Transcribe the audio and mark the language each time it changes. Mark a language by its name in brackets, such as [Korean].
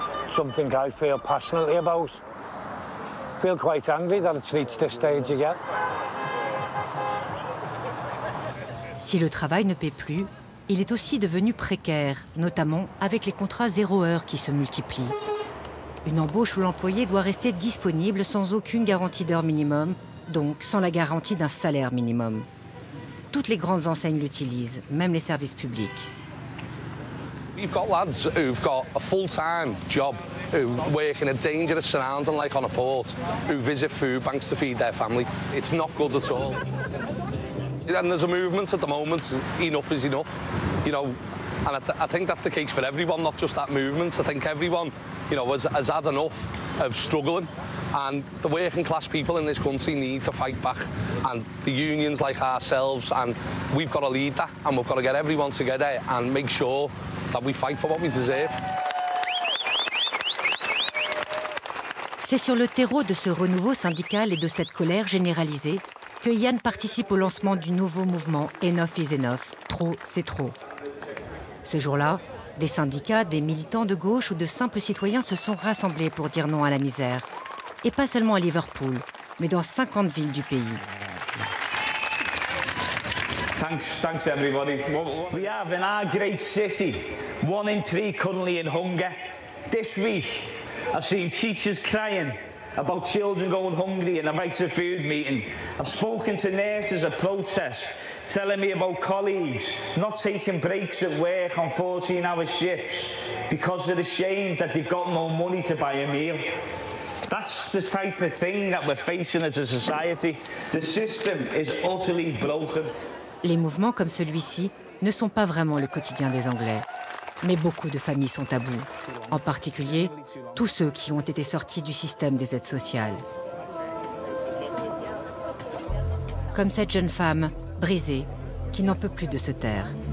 [English] Something I feel passionately about. Feel quite angry that it's reached this stage again. [French] Si le travail ne paie plus, il est aussi devenu précaire, notamment avec les contrats zéro heure qui se multiplient. Une embauche où l'employé doit rester disponible sans aucune garantie d'heure minimum, donc sans la garantie d'un salaire minimum. Toutes les grandes enseignes l'utilisent, même les services publics. [English] We've got lads who've got a full-time job who work in a dangerous surrounding, like on a port, who visit food banks to feed their family. It's not good at all. And there's a movement at the moment, enough is enough, you know, and I think that's the case for everyone, not just that movement. I think everyone, you know, has had enough of struggling, and the working class people in this country need to fight back, and the unions like ourselves, and we've got to lead that, and we've got to get everyone together and make sure that we fight for what we deserve. [French] C'est sur le terreau de ce renouveau syndical et de cette colère généralisée que Yann participe au lancement du nouveau mouvement Enough is Enough, trop c'est trop. Ce jour-là, des syndicats, des militants de gauche ou de simples citoyens se sont rassemblés pour dire non à la misère. Et pas seulement à Liverpool, mais dans 50 villes du pays. [English] Thanks everybody. We have in our great city, one in three currently in hunger. This week, I've seen teachers crying about children going hungry in a right to food meeting. I've spoken to nurses at protest, telling me about colleagues not taking breaks at work on 14-hour shifts because they're ashamed that they've got no money to buy a meal. That's the type of thing that we're facing as a society. The system is utterly broken. [French] Les mouvements comme celui-ci ne sont pas vraiment le quotidien des Anglais. Mais beaucoup de familles sont à bout, en particulier tous ceux qui ont été sortis du système des aides sociales. Comme cette jeune femme, brisée, qui n'en peut plus de se taire.